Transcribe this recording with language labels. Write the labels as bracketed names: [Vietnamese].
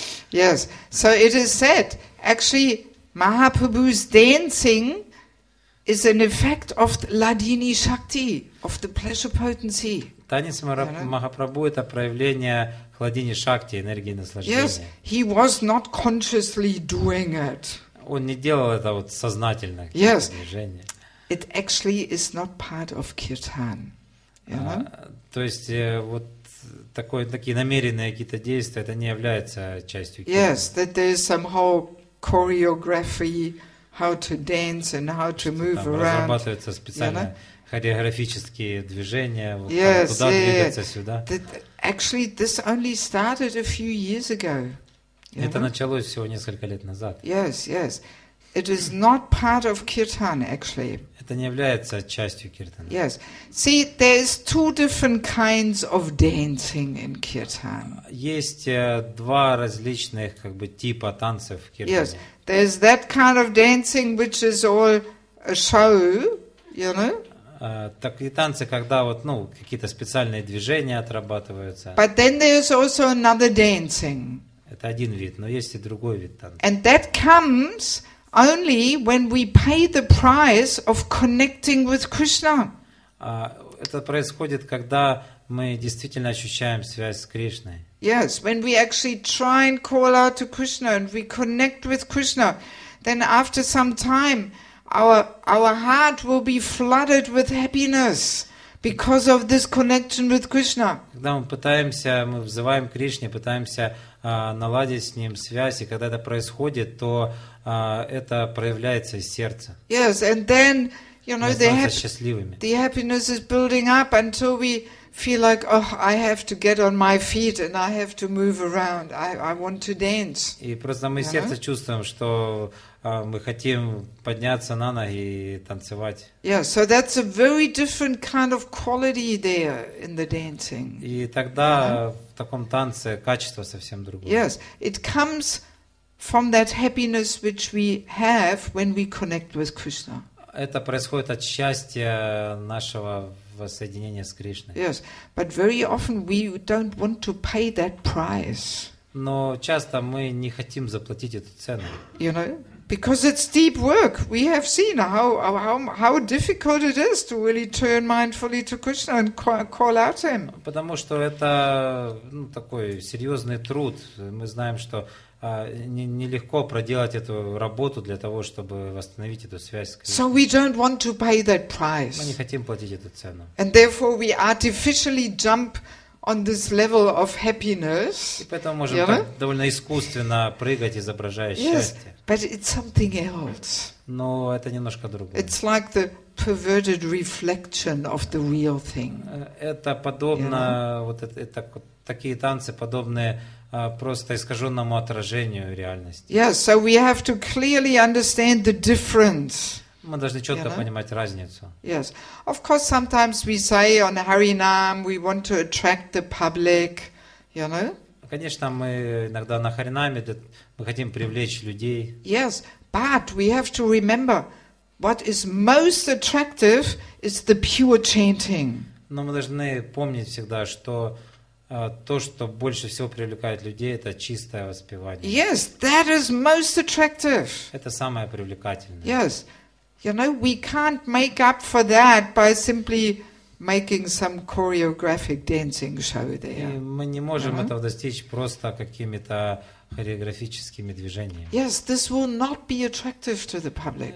[English] Yes, so it is said, actually, Mahaprabhu's dancing is an effect of the Ladini Shakti, of the pleasure potency. [Russian] Танец Махапрабху – это проявление Хладини Шакти, энергии наслаждения. [English] Yes, he was not consciously doing it. [Russian] Он не делал это вот сознательно. [English] Yes. [Russian] Движение. [English] It actually is not part of kirtan. [Russian] То есть вот такие намеренные какие-то действия, это не является частью kirtan. [English] Yes, that there is some whole choreography, how to dance and how to move around. [Russian] Разрабатываются специальные хореографические движения, вот yes, туда двигаться сюда. [English] That actually this only started a few years ago. [Russian] Это началось всего несколько лет назад. [English] Yes, yes. It is not part of kirtan, actually. [Russian] Это не является частью киртана. [English] Yes. See, there is two different kinds of dancing in kirtan. [Russian] Есть два различных типа танцев в киртане. [English] Yes. There is that kind of dancing which is all a show, you know? [Russian] Такие танцы, когда какие-то специальные движения отрабатываются. [English] But then there is also another dancing. [Russian] Это один вид, но есть и другой вид танца. [English] And that comes only when we pay the price of connecting with Krishna. [Russian] Это происходит, когда мы действительно ощущаем связь с Кришной. [English] Yes, when we actually try and call out to Krishna and we connect with Krishna, then after some time our heart will be flooded with happiness. Because of this connection with Krishna. [Russian] Когда мы взываем к Кришне, пытаемся наладить с ним связь, и когда это происходит, то это проявляется из сердца. [English] Yes, and then, you know, the happiness is building up until we feel like, oh, I have to get on my feet and I have to move around. I want to dance. [Russian] И просто мы сердце чувствуем, что мы хотим подняться на ноги и танцевать. [English] Yeah, so that's a very different kind of quality there in the dancing. [Russian] И тогда в таком танце качество совсем другое. [English] Yes, it comes from that happiness which we have when we connect with Krishna. [Russian] Это происходит от счастья нашего воссоединения с Кришной. [English] Yes, but very often we don't want to pay that price. [Russian] Но часто мы не хотим заплатить эту цену. [English] You know? Because it's deep work. We have seen how difficult it is to really turn mindfully to Krishna and call out to Him. [Russian] Потому что это такой серьезный труд. Мы знаем, что нелегко проделать эту работу для того, чтобы восстановить эту связь с Кришной. [English] So we don't want to pay that price. [Russian] Мы не хотим платить эту цену. [English] And therefore we artificially jump on this level of happiness. [Russian] И поэтому можем довольно искусственно прыгать, изображая счастье. [English] Yes, but it's something else. [Russian] Но это немножко другое. [English] It's like the perverted reflection of the real thing. [Russian] Это подобно такие танцы подобные просто искаженному отражению реальности. [English] Yes, so we have to clearly understand the difference. [Russian] Мы должны четко понимать разницу. [English] Yes. Of course, sometimes we say on Харинам we want to attract the public, you know? [Russian] Конечно, мы иногда на Харинаме мы хотим привлечь людей. [English] Yes, but we have to remember what is most attractive is the pure chanting. [Russian] Но мы должны помнить всегда, что то, что больше всего привлекает людей, это чистое воспевание. [English] Yes, that is most attractive. [Russian] Это самое привлекательное. [English] Yes. You know, we can't make up for that by simply making some choreographic dancing show there. [Russian] И мы не можем этого достичь просто какими-то хореографическими движениями. [English] Yes, this will not be attractive to the public.